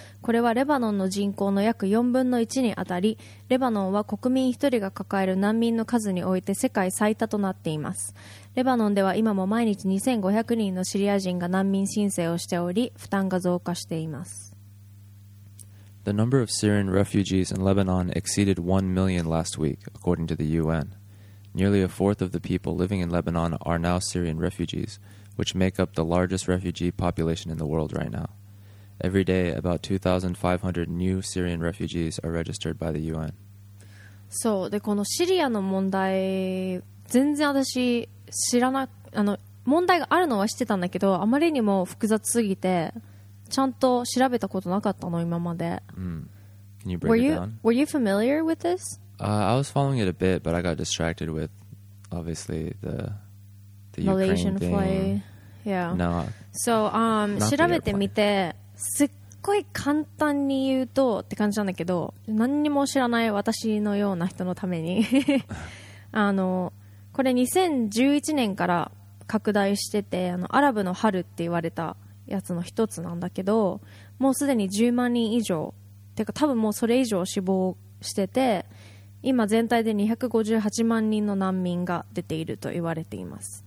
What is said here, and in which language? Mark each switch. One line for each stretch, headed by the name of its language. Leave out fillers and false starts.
Japanese: これはレバノンの人口の約4分の1に当たり、レバノンは国民1人が抱える難民の数において世界最多となっています。レバノンでは今も毎日2500人のシリア人が難民申請をしており、負担が増加しています。
English: The number of Syrian refugees in Lebanon exceeded 1 million last week, according to the UN. Nearly a fourth of the people living in Lebanon are now Syrian refugees, which make up the largest refugee population in the world right now. Every day, about 2,500 new Syrian refugees are registered by the UN.
Japanese: そう、で、このシリアの問題、全然私知らな、問題があるのは知ってたんだけど、あまりにも複雑すぎて、ちゃんと調べたことなかったの今まで。
English: Can you break it down? Were you familiar with this? I was following it a bit, but I got distracted with obviously the Malaysian Ukraine thing.
Japanese: So, 調べてみて、すっごい簡単に言うとって感じなんだけど、何にも知らない私のような人のためにこれ2011年から拡大してて、アラブの春って言われたやつの一つなんだけど、もうすでに10万人以上てか多分もうそれ以上死亡してて、今全体で258万人の難民が出ていると言われています。